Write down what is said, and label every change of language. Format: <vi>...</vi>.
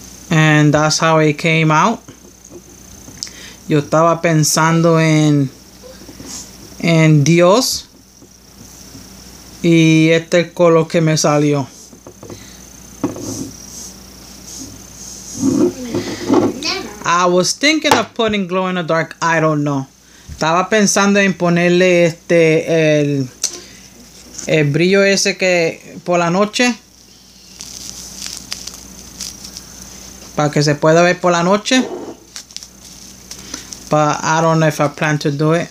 <en>And that's how it came out.</en> <es>Yo estaba pensando en Dios. Y este color que me salió.</es> <en>I was thinking of putting glow in the dark. I don't know.</en> <es>Estaba pensando en ponerle este el brillo ese que por la noche. Para que se pueda ver por la noche.</es> <en>But I don't know if I plan to do it.</en>